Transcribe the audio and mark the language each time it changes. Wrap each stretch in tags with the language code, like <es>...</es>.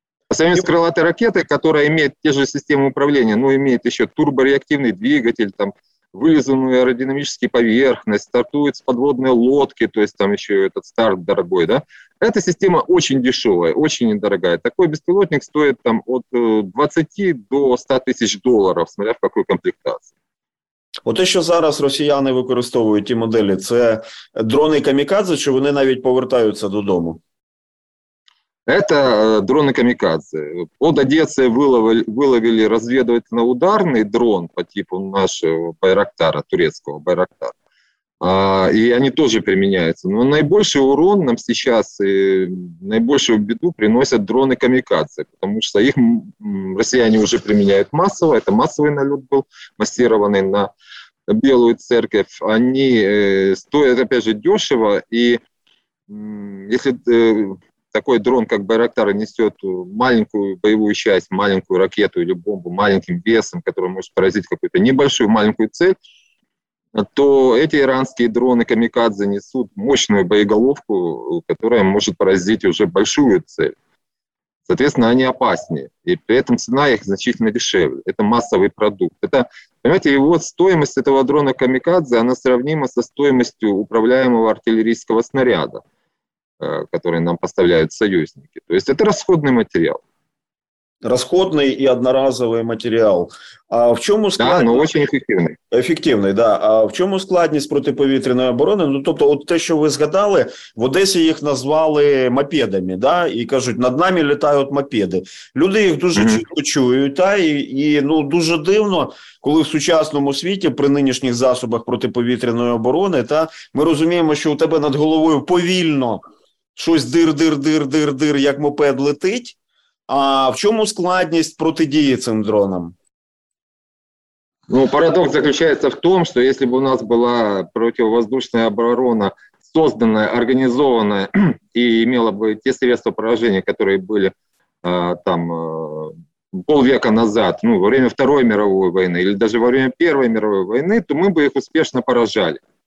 <ru>Сами крылатые ракеты, которые имеют те же системы управления, но имеют еще турбореактивный двигатель, там, вылизанную аэродинамическую поверхность, стартуют с подводной лодки, то есть там еще этот старт дорогой, да. Эта система очень дешевая, очень недорогая. Такой беспилотник стоит там от 20 до 100 тысяч долларов, смотря в какой комплектации.</ru> <uk>Оте, що зараз росіяни використовують ті моделі, це дрони-камікадзе, чи вони навіть повертаються додому? Це дрони-камікадзе. Под Одесою виловили розвідувально-ударний дрон по типу нашого Байрактара, турецького Байрактара. І вони теж применяються. Але найбільший урон нам зараз, найбільшу біду приносять дрони-камікадзе, тому що їх росіяни вже применяють масово. Це масовий нальот був,</uk> <ru>масированный на Белую церковь, они стоят, опять же, дешево, и если такой дрон, как Байрактар, несет маленькую боевую часть, маленькую ракету или бомбу, маленьким весом, который может поразить какую-то небольшую, маленькую цель, то эти иранские дроны-камикадзе несут мощную боеголовку, которая может поразить уже большую цель. Соответственно, они опаснее, и при этом цена их значительно дешевле. Это массовый продукт. Это, понимаете, его стоимость этого дрона «Камикадзе», она сравнима со стоимостью управляемого артиллерийского снаряда, который нам поставляют союзники. То есть это расходный материал. Расходный и одноразовый материал. А в чем</ru> <uk>складність?</uk> <ru>Да, но очень эффективный. Эффективный, да. А в чем</ru> <uk>складність протиповітряної оборони? Ну, тобто, от те, що ви згадали, в Одесі їх назвали мопедами, да, і кажуть, над нами літають мопеди. Люди їх дуже чітко чують, та, і ну, дуже дивно, коли в сучасному світі при нинішніх засобах протиповітряної оборони, та, ми розуміємо, що у тебе над головою повільно щось дир-дир-дир-дир-дир, як мопед летить. А в чому складність протидії цим дронам?</uk> <ru>Ну, парадокс заключается в том, что если бы у нас была противовоздушная оборона, созданная, организованная и имела бы те средства поражения, которые были там полвека назад, ну, во время Второй мировой войны или даже во время Первой мировой войны, то мы бы их успешно поражали.</ru>